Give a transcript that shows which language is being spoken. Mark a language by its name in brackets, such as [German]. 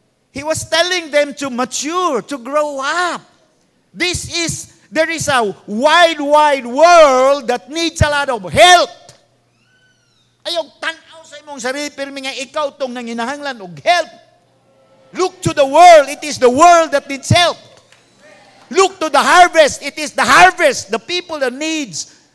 [English] He was telling them to mature, to grow up. There is a wide, wide world that needs a lot of help. [Cebuano] Ayaw tanaw sa imong sarili, pero may nga ikaw itong nanginahanglan o help. [English] Look to the world. It is the world that needs help. Look to the harvest. It is the harvest, the people that needs.